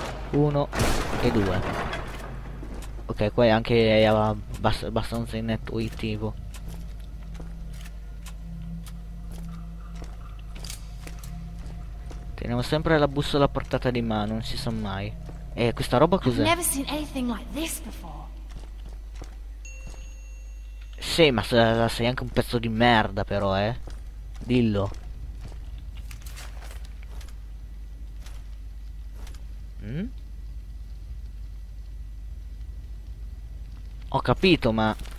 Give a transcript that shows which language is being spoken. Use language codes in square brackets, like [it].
[it] Uno e due. Ok, qua è anche abbastanza intuitivo. Teniamo sempre la bussola a portata di mano, non si sa mai. E questa roba cos'è? [en] Never seen anything like this before. [it] Sì, ma sei anche un pezzo di merda però, eh. Dillo. Ho capito, ma...